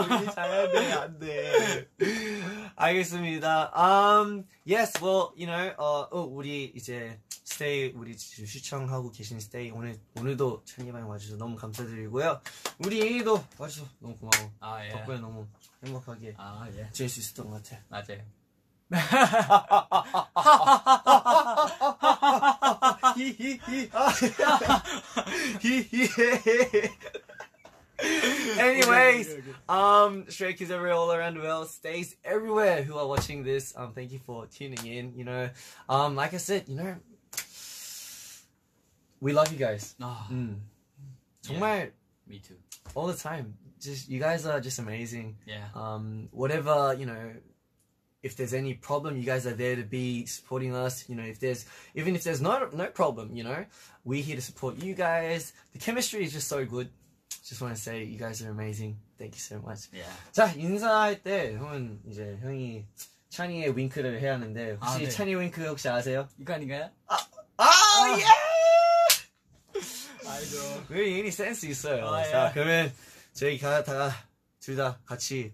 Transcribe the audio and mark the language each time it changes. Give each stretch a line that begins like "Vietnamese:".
Korean: 우리 자야 돼, 안 돼. 알겠습니다.
English: Yes, well, you know,
Korean: 우리 이제 스테이 우리 지금 시청하고 계신 스테이 오늘도 찬이방에 와주셔서 너무 감사드리고요. 우리 예이도 와주셔서 너무 고마워. 아, 예. 덕분에 너무 행복하게 지낼 수 있었던 것 같아. 맞아요.
English: Anyways, Stray Kids everywhere, all around the world, stays everywhere who are watching this. Thank you for tuning in. You know, like I said, you know, we love you guys. Yeah, me too. All the time. Just you guys are just amazing. Yeah. Whatever, you know, if there's any problem, you guys are there to be supporting us. You know, if there's even if there's no problem, you know, we're here to support you guys. The chemistry is just so good. Just want to say you guys are amazing. Thank you so much. Yeah.
Korean: 자, 인사할 때 형은 이제 형이 찬이의 윙크를 해야 하는데 혹시 아, 네. 찬이 윙크 혹시 아세요? 이거 아닌가요? 아, 예! 알죠. 왜 예은이 센스 있어요. 아, 자, 예. 그러면 저희 다 둘 다 같이